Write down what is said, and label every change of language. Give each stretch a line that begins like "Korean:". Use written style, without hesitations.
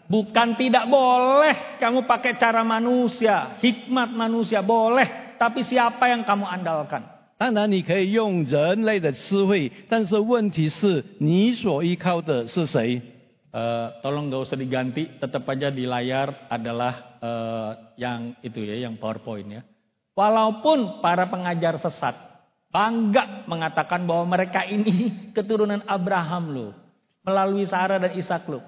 Indonesian: Bukan tidak boleh kamu pakai cara manusia, hikmat manusia boleh, tapi siapa yang kamu andalkan?
Chinese: 当然你可以用人类的智慧, 但是问题是你所依靠的是谁?
Indonesian: Tolong gak usah diganti, tetap aja di layar adalah yang itu ya, yang PowerPoint ya. Walaupun para pengajar sesat bangga mengatakan bahwa mereka ini keturunan Abraham loh, melalui Sara dan Ishak loh.